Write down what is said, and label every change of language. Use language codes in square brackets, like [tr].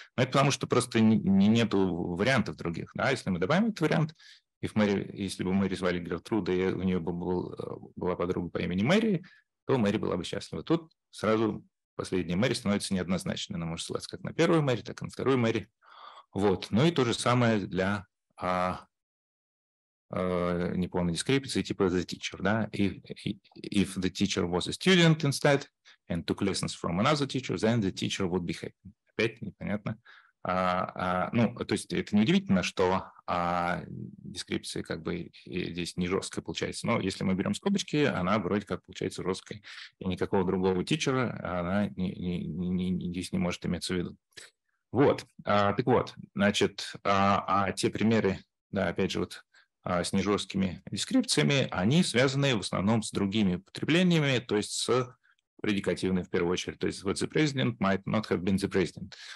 [ru] Но это потому, что просто нету вариантов других. Да? Если мы добавим этот вариант, [en] if Mary, [ru] если бы Мэри звали Гертруда, и у нее бы была подруга по имени Мэри, то Мэри была бы счастлива. Тут сразу последняя Мэри становится неоднозначной. Она может ссылаться как на первую Мэри, так и на вторую Мэри. Вот. Ну и то же самое для неполной дескрипции типа [en] the teacher, да, if the teacher was a student instead and took lessons from another teacher, then the teacher would be happy. [ru] Опять непонятно. Ну, то есть это неудивительно, что дескрипция как бы здесь не жесткая получается, но если мы берем скобочки, она вроде как получается жесткой, и никакого другого тичера она здесь не может иметься в виду. Вот, так вот, значит, а те примеры, да, опять же, вот с нежесткими дескрипциями, они связаны в основном с другими употреблениями, то есть с предикативными в первую очередь. То есть вот [en] the president might not have been the president.